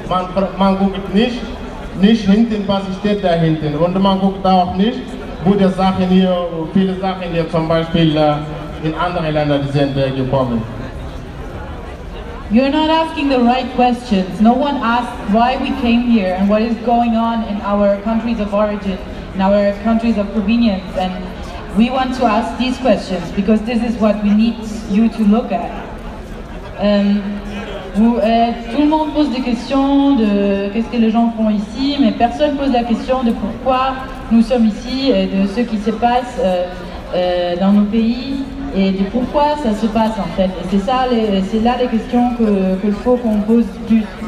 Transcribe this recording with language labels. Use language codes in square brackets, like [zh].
[de] Man guckt nicht hinten, was steht da hinten und man guckt auch nicht, wo die Sachen hier, viele Sachen hier zum Beispiel in andere Länder sind gekommen. [en] You're not asking the right questions. No one asks why we came here and what is going on in our countries of origin, in our countries of provenience. And we want to ask these questions because this is what we need you to look at. [fr] Tout le monde pose des questions de qu'est-ce que les gens font ici, mais personne pose la question de pourquoi nous sommes ici et de ce qui se passe dans nos pays et de pourquoi ça se passe en fait. Et c'est là les questions qu'il faut qu'on pose plus.